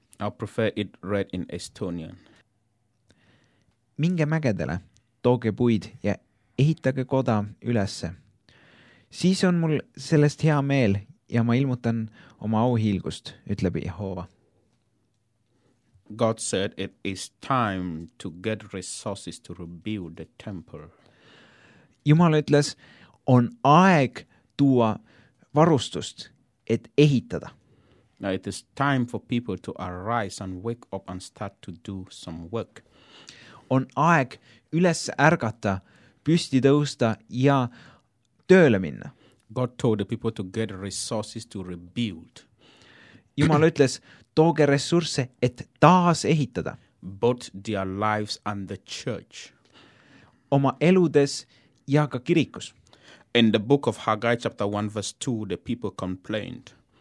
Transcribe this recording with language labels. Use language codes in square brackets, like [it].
[en] I prefer it read in Estonian. [et] Minge mägedele, tooge puid ja ehitage koda ülesse. Siis on mul sellest hea meel ja ma ilmutan oma auhiilgust, ütleb Jehova. [en] God said it is time to get resources to rebuild the temple. [et] Jumal ütles, on aeg tuua varustust, et ehitada. [en] Now it is time for people to arise and wake up and start to do some work. [et] On aeg üles ärgata, püsti tõusta ja tööle minna. [en] God told the people to get resources to rebuild. [et] Jumal ütles, tooge ressursse, et taas ehitada. [en] Both their lives and the church. [et] Oma eludes ja ka kirikus. [en] In the book of Haggai, chapter 1, verse 2, the people complained.